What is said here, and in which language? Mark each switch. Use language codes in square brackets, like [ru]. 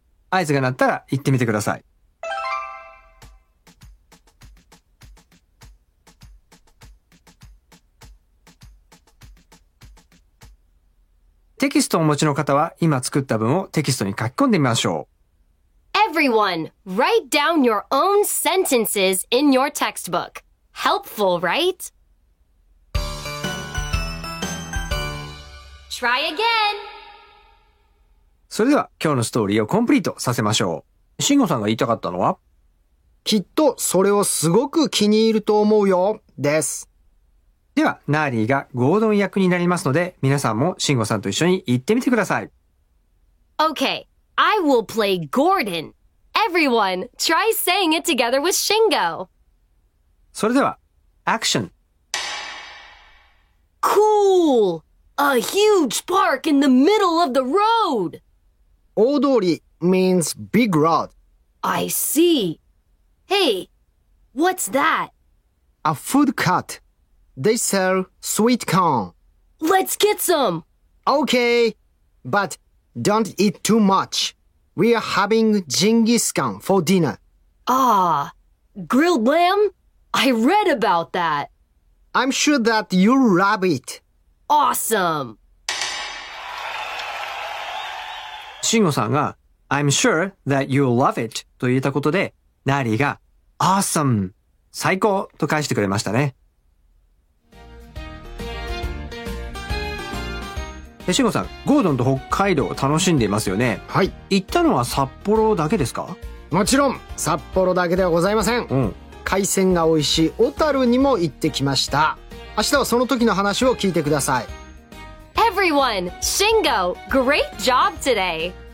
[ja] 合図が鳴ったら言ってみてください。テキストをお持ちの方は今作った文をテキストに書き込んでみましょう。 [en] Everyone, write down your own sentences in your textbook. Helpful, right? Try again! [ja] それでは今日のストーリーをコンプリートさせましょう。シンゴさんが言いたかったのは、きっとそれをすごく気に入ると思うよ、です。では、ナーリーがゴードン役になりますので、皆さんもシンゴさんと一緒に行ってみてください。 [en] Okay, I will play Gordon. Everyone, try saying it together with Shingo. [ja] それでは、アクション。 [en] Cool! A huge park in the middle of the road! 大通り means big road. I see. Hey, what's that? A food cart. They sell sweet corn. Let's get some. Okay, but don't eat too much. We are having Jingisukan for dinner. Ah, grilled lamb? I read about that. I'm sure that you'll love it. Awesome. [ja] Shingo さんが [en] I'm sure that you'll love it [ja] と言ったことで、ナーリーが Awesome! 最高と返してくれましたね。シンゴさん、ゴードンと北海道を楽しんでいますよね。はい。行ったのは札幌だけですか？もちろん札幌だけではございません。うん。海鮮が美味しい小樽にも行ってきました。明日はその時の話を聞いてください。 [en] Everyone, Shingo, great job today.